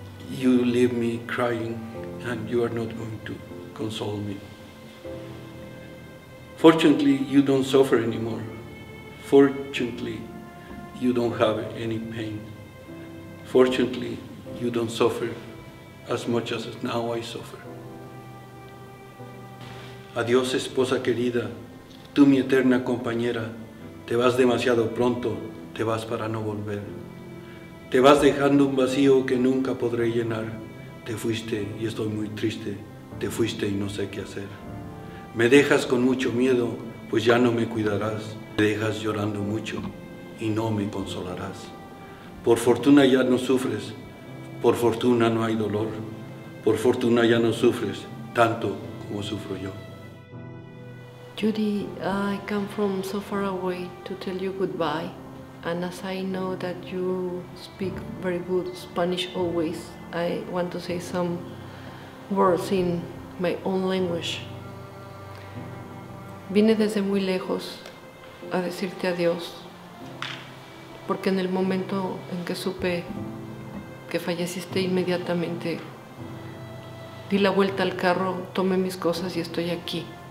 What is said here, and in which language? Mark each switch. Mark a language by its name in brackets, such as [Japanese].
[English] You leave me crying, and you are not going to console me. Fortunately, you don't suffer anymore. Fortunately, you don't have any pain. Fortunately, you don't suffer as much as now I suffer. [Spanish] Adiós, esposa querida, tú mi eterna compañera, te vas demasiado pronto, te vas para no volver. Te vas dejando un vacío que nunca podré llenar. Te fuiste y estoy muy triste, te fuiste y no sé qué hacer. Me dejas con mucho miedo, pues ya no me cuidarás. Me dejas llorando mucho y no me consolarás. Por fortuna ya no sufres, por fortuna no hay dolor. Por fortuna ya no sufres tanto como sufro yo. [English] Judy, I come from so far away to tell you goodbye. And as I know that you speak very good Spanish always, I want to say some words in my own language. [Spanish] Vine desde muy lejos a decirte adiós, porque en el momento en que supe que falleciste inmediatamente, di la vuelta al carro, tomé mis cosas y estoy aquí.